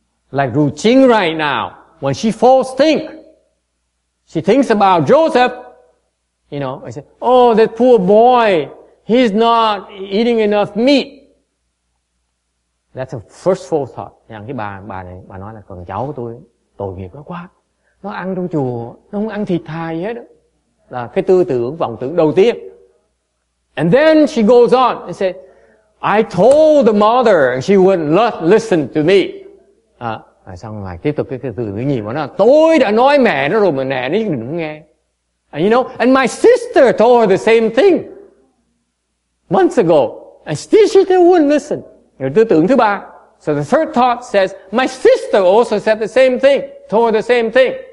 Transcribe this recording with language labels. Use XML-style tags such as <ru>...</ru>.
<en>Like Ru Qing right now, when she false think, she thinks about Joseph. You know, I said, oh, that poor boy, he's not eating enough meat. That's a first false thought.</en> <vi>Nhưng cái bà này, bà nói là con cháu của tôi, tội nghiệp nó quá. Nó ăn trong chùa, nó không ăn thịt hài gì hết. Là cái tư tưởng, vọng tưởng đầu tiên.</vi> <en>And then she goes on and said, I told the mother and she wouldn't listen to me.</en> <vi>Xong lại tiếp tục cái từ thứ nhì của nó. Tôi đã nói mẹ nó rồi mà mẹ nó nhất định không nghe.</vi> <en>And you know, and my sister told her the same thing months ago. And still she didn't want to listen.</en> <vi>Rồi tư tưởng thứ ba.</vi> <en>So the third thought says, my sister also said the same thing, told her the same thing.</en>